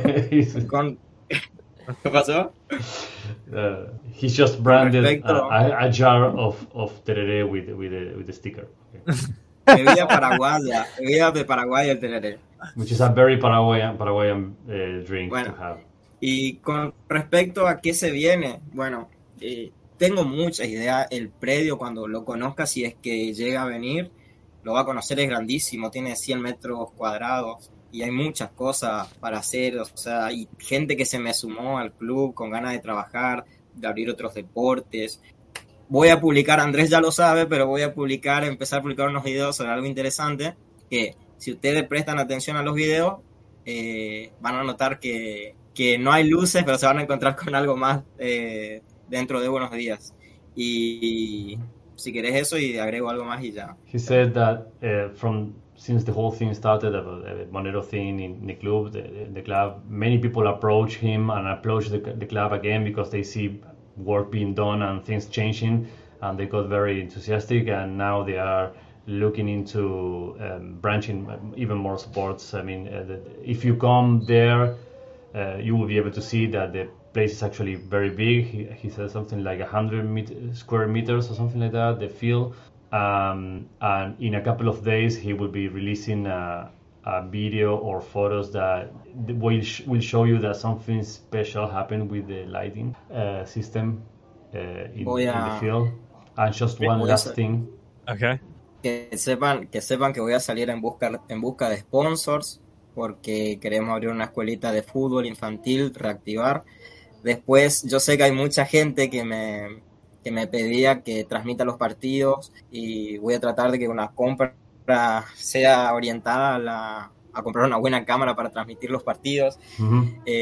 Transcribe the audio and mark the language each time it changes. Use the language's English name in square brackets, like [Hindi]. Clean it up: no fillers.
[English] He's just branded a jar of tereré with a sticker. Okay. Which is a very Paraguayan drink bueno, to have. [Spanish] Y con respecto a qué se viene, bueno, tengo mucha idea, el predio cuando lo conozca, si es que llega a venir, lo va a conocer, es grandísimo, tiene 100 metros cuadrados y hay muchas cosas para hacer, o sea, hay gente que se me sumó al club con ganas de trabajar, de abrir otros deportes. Voy a publicar, Andrés ya lo sabe, pero voy a publicar, empezar a publicar unos videos sobre algo interesante, que si ustedes prestan atención a los videos, van a notar que no hay luces, pero se van a encontrar con algo más dentro de unos días. Y si quieres eso, y agrego algo más y ya. [English] He said that since the whole thing started, the Monero thing in the club, the club, many people approach him and approach the club again because they see work being done and things changing, and they got very enthusiastic, and now they are looking into branching even more sports. I mean, if you come there, you will be able to see that the place is actually very big. He said something like 100 square meters or something like that, the field. And in a couple of days, he will be releasing a video or photos that will show you that something special happened with the lighting system in the field. And just one last thing. Okay. [Spanish] Que sepan que voy a salir en busca de sponsors, porque queremos abrir una escuelita de fútbol infantil, reactivar. Después, yo sé que hay mucha gente que me pedía que transmita los partidos y voy a tratar de que una compra sea orientada a comprar una buena cámara para transmitir los partidos. Uh-huh.